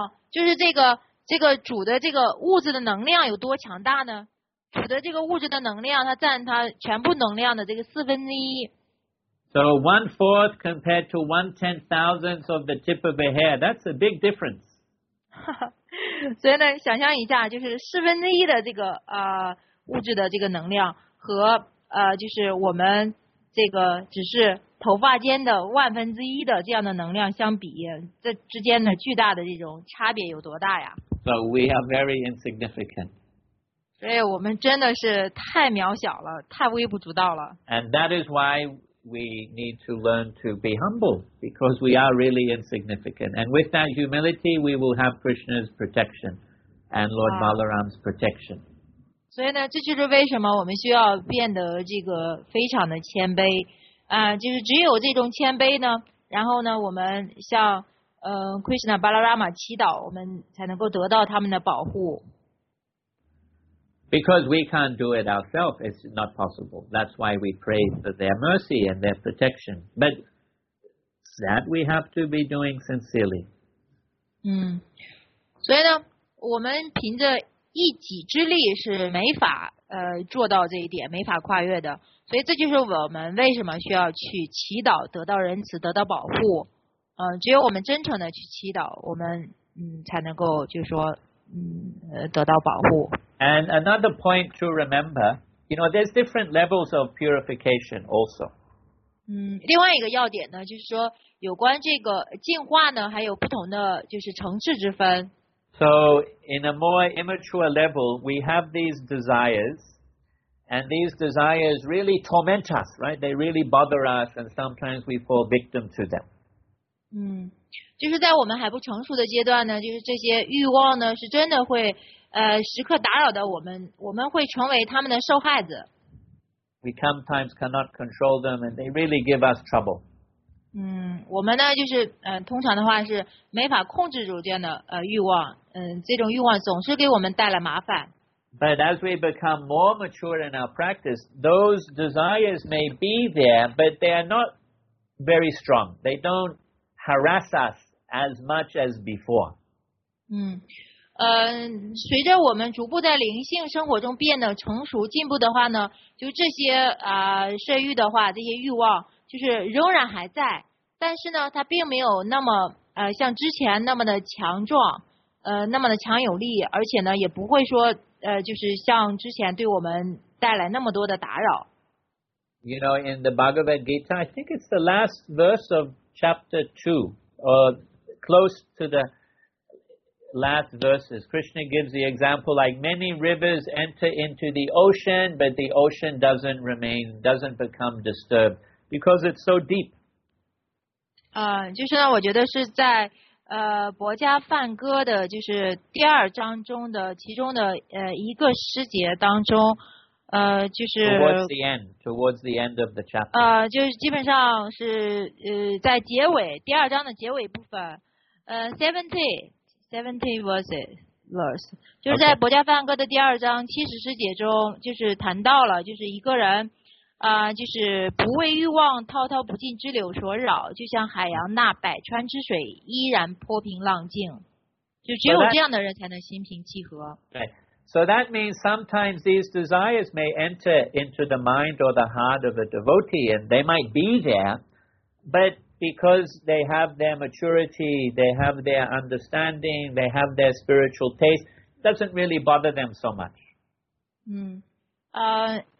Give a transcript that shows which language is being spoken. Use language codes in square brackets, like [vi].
[zh] 就是这个主的这个物质的能量有多强大呢？主的这个物质的能量，它占它全部能量的这个四分之一。 [en] So 1/4 compared to 1/10,000th of the tip of a hair, that's a big difference. [zh] 所以呢，想象一下，就是四分之一的这个物质的这个能量和就是我们这个只是头发间的万分之一的这样的能量相比，这之间的巨大的这种差别有多大呀？ [en] So we are very insignificant. [zh] 所以我们真的是太渺小了，太微不足道了。 [en] And that is why. We need to learn to be humble because we are really insignificant. And with that humility, we will have Krishna's protection and Lord Balaram's protection. [zh] 所以呢，这就是为什么我们需要变得这个非常的谦卑。就是只有这种谦卑呢，然后呢，我们向Krishna Balarama 祈祷，我们才能够得到他们的保护。 [en] Because we can't do it ourselves, it's not possible. That's why we pray for their mercy and their protection. But that we have to be doing sincerely. [zh] 所以呢，我们凭着一己之力是没法做到这一点，没法跨越的。所以这就是我们为什么需要去祈祷，得到仁慈，得到保护。只有我们真诚的去祈祷，我们才能够就说得到保护。 [en] And another point to remember, you know, there's different levels of purification also. [zh] 另外一个要点呢，就是说有关这个净化呢，还有不同的就是层次之分。 [en] So in a more immature level, we have these desires, and these desires really torment us, right? They really bother us, and sometimes we fall victim to them. [zh] 就是在我们还不成熟的阶段呢，就是这些欲望呢，是真的会。时刻打扰的我们，我们会成为他们的受害者。 We sometimes cannot control them, and they really give us trouble. 我们呢，就是通常的话是没法控制住这样的欲望。这种欲望总是给我们带来麻烦。 [en] But as we become more mature in our practice, those desires may be there, but they are not very strong. They don't harass us as much as before. [zh] 随着我们逐步在灵性生活中变得成熟进步的话呢，就这些色欲的话，这些欲望就是仍然还在，但是呢，它并没有那么像之前那么的强壮，那么的强有力，而且呢，也不会说就是像之前对我们带来那么多的打扰。 [en] You know, in the Bhagavad Gita, I think it's the last verse of chapter 2, or close to the last verses, Krishna gives the example like many rivers enter into the ocean, but the ocean doesn't remain, doesn't become disturbed because it's so deep. [zh] 就是呢，我觉得是在博迦梵歌的，就是第二章中的其中的一个诗节当中，就是 [en] towards the end of the chapter. [zh] 就是基本上是在结尾第二章的结尾部分， [en] 70 verses， [zh] 就是在博迦梵歌的第二章七十诗节中，就是谈到了就是一个人。就是不为欲望滔滔不尽之流所扰，就像海洋那百川之水依然波平浪静，就只有这样的人才能心平气和。 [en] 对 ，So that means sometimes these desires may enter into the mind or the heart of a devotee, and they might be there, but because they have their maturity, they have their understanding, they have their spiritual taste, doesn't really bother them so much.